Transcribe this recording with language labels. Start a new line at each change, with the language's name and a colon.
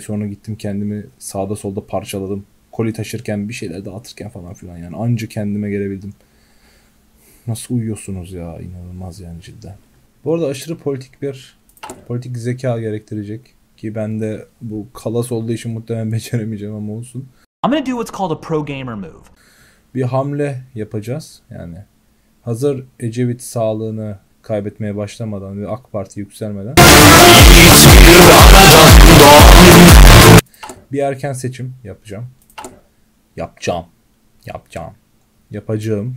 Turkish: Sonra gittim kendimi sağda solda parçaladım. Koli taşırken bir şeyler dağıtırken falan filan yani. Anca kendime gelebildim. Nasıl uyuyorsunuz ya? İnanılmaz yani cidden. Bu arada aşırı politik zeka gerektirecek. Ki ben de bu kalas olduğu için muhtemelen beceremeyeceğim ama olsun.
English: I'm gonna do what's called a pro gamer move.
Turkish: Bir hamle yapacağız yani. Hazır Ecevit sağlığını kaybetmeye başlamadan ve AK Parti yükselmeden. Bir erken seçim yapacağım. Yapacağım. Yapacağım. Yapacağım.